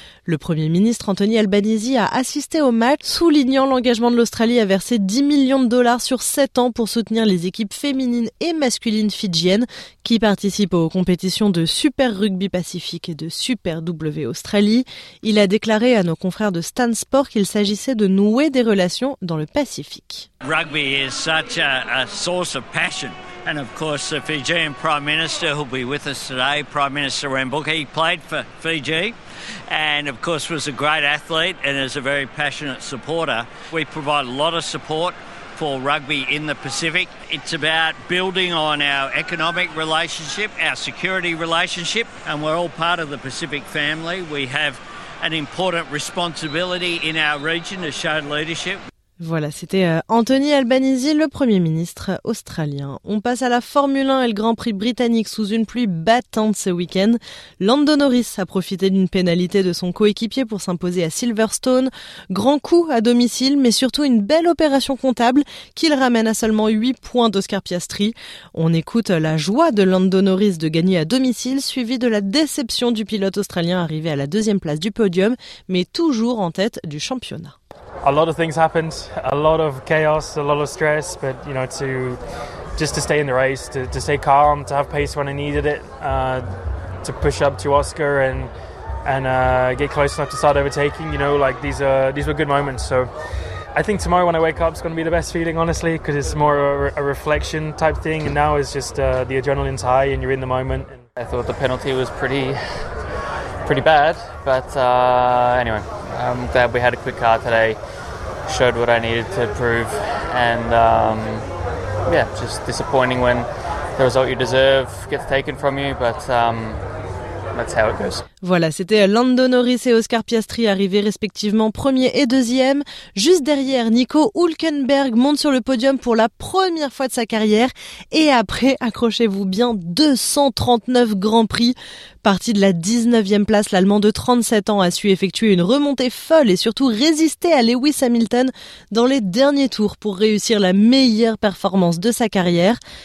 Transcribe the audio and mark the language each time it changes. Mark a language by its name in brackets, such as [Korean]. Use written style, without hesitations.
[French] Le Premier ministre Anthony Albanese a assisté au match, soulignant l'engagement de l'Australie à verser 10 millions de dollars sur 7 ans pour soutenir les équipes féminines et masculines fidjiennes qui participent aux compétitions de Super Rugby Pacifique et de Super W Australie. Il a déclaré à nos confrères de Stan Sport qu'il s'agissait de nouer des relations dans le Pacifique. [English] Rugby is such a source of passion. And of course, the Fijian Prime Minister who'll be with us today, Prime Minister Rambuki, played for Fiji and of course was a great athlete and is a very passionate supporter. We provide a lot of support for rugby in the Pacific. It's about building on our economic relationship, our security relationship, and we're all part of the Pacific family. We have an important responsibility in our region to show leadership. [French] Voilà, c'était Anthony Albanese, le Premier ministre australien. On passe à la Formule 1 et le Grand Prix britannique sous une pluie battante ce week-end. Lando Norris a profité d'une pénalité de son coéquipier pour s'imposer à Silverstone. Grand coup à domicile, mais surtout une belle opération comptable qu'il ramène à seulement 8 points d'Oscar Piastri. On écoute la joie de Lando Norris de gagner à domicile, suivie de la déception du pilote australien arrivé à la deuxième place du podium, mais toujours en tête du championnat. [English] A lot of things happened, a lot of chaos, a lot of stress, but you know, to just to stay in the race, to stay calm, to have pace when I needed it, to push up to Oscar and get close enough to start overtaking, you know, like these were good moments. So I think tomorrow when I wake up it's going to be the best feeling, honestly, because it's more a reflection type thing, and now it's just the adrenaline's high and you're in the moment. I thought the penalty was pretty bad, but anyway, I'm glad we had a quick car today, showed what I needed to prove, and just disappointing when the result you deserve gets taken from you, but that's how it goes. [French] Voilà, c'était Lando Norris et Oscar Piastri arrivés respectivement premier et deuxième. Juste derrière, Nico Hülkenberg monte sur le podium pour la première fois de sa carrière. Et après, accrochez-vous bien, 239 Grands Prix. Parti de la 19e place, l'Allemand de 37 ans a su effectuer une remontée folle et surtout résister à Lewis Hamilton dans les derniers tours pour réussir la meilleure performance de sa carrière.